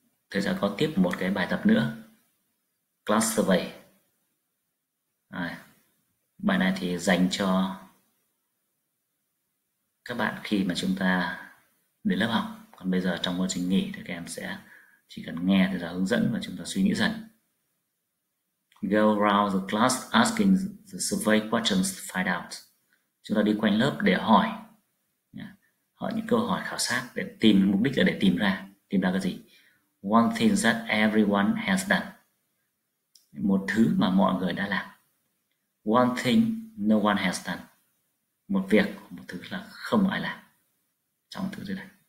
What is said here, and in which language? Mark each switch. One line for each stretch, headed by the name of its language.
Vietnamese: Thế sẽ có tiếp một cái bài tập nữa. Class survey. Bài này thì dành cho các bạn khi mà chúng ta đến lớp học. Còn bây giờ trong quá trình nghỉ thì các em sẽ chỉ cần nghe thầy giáo hướng dẫn và chúng ta suy nghĩ dần.
English: Go around the class asking the survey questions to find out.
Vietnamese: Chúng ta đi quanh lớp để hỏi, hỏi những câu hỏi khảo sát để tìm, mục đích là để tìm ra cái gì?
English: One thing that everyone has done.
Vietnamese: Một thứ mà mọi người đã làm.
English: One thing no one has done.
Vietnamese: Một việc, một thứ là không ai làm. Trong thứ dưới đây.